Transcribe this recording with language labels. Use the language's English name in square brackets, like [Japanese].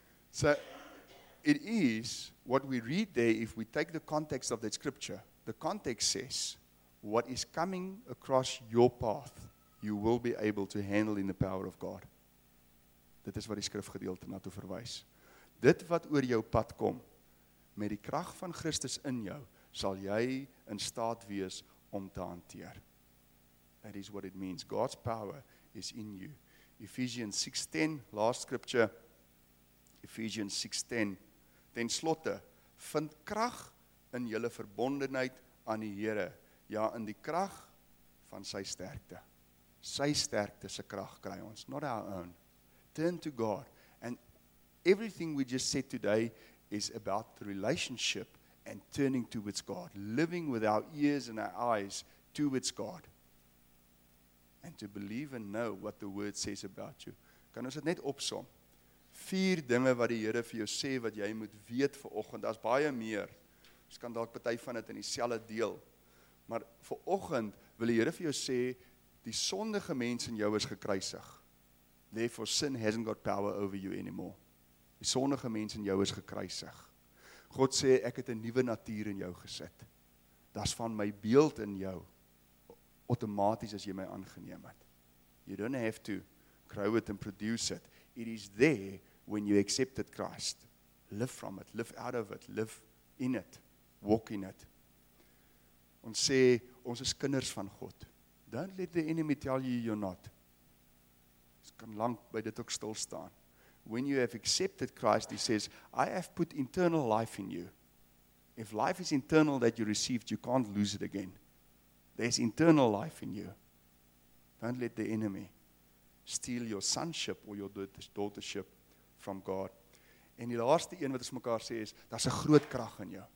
[English] So, it is what we read there, if we take the context of that scripture, the context says, what is coming across your path, you will be able to handle in the power of God. [Afrikaans] Dit is wat die skrifgedeelte na toe verwys. Dit wat oor jou pad kom, met die krag van Christus in jou, sal jy in staat wees om te hanteer. [English] That is what it means. God's power is in you. Ephesians 6:10, last scripture. [Afrikaans] Ephesians 6:10. Ten slotte, vind krag in julle verbondenheid aan die Here, ja in die krag van sy sterkte. Sy sterkte se krag kry ons, [English] not our own. Turn to God. And everything we just said today is about the relationship and turning towards God, living with our ears and our eyes towards God. And to believe and know what the word says about you. [Afrikaans] Kan ons dit net opsom? Vier dinge wat die Here vir jou sê wat jy moet weet vanoggend. Daar's baie meer. Ons kan dalk party van dit in dieselfde deel. Maar vanoggend wil die Here vir jou sê die sondige mens in jou is gekruisig. [English] Therefore sin hasn't got power over you anymore. [Afrikaans] Die sondige mens in jou is gekruisig. God sê ek het 'n nuwe natuur in jou gesit. Daar's van my beeld in jou. Automaties as jy my aangeneem het. [English] You don't have to grow it and produce it. It is there when you accepted Christ. Live from it, live out of it, live in it, walk in it. [Afrikaans] Ons sê, ons is kinders van God. [English] Don't let the enemy tell you you're not. [Afrikaans] Ons kan lang by dit ook stilstaan. [English] When you have accepted Christ, he says, I have put internal life in you. If life is internal that you received, you can't lose it again. There's internal life in you. Don't let the enemy steal your sonship or your daughtership from God. [Afrikaans] En die laaste een wat ons mekaar sê is, daar's 'n groot krag in jou.